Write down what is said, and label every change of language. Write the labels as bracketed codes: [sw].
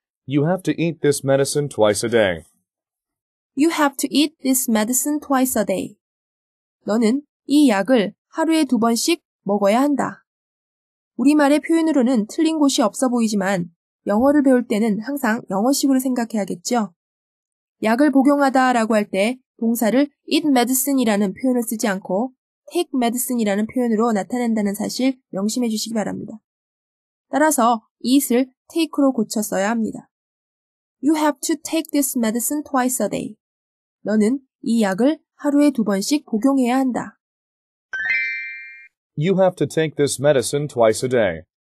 [en] You have to eat this medicine twice a day. You have to eat this medicine twice a day. [ko] 너는 이 약을 하루에 두 번씩 먹어야 한다. 우리말의 표현으로는 틀린 곳이 없어 보이지만 영어를 배울 때는 항상 영어식으로 생각해야겠죠. 약을 복용하다 라고 할 때 동사를 [en] eat medicine [ko] 이라는 표현을 쓰지 않고 [en] take medicine [ko] 이라는 표현으로 나타낸다는 사실 명심해 주시기 바랍니다. 따라서 eat을 take로 고쳐 써야 합니다. [en] You have to take this medicine twice a day. [ko] 너는 이 약을 하루에 두 번씩 복용해야 한다. [en] You have to take this medicine twice a day.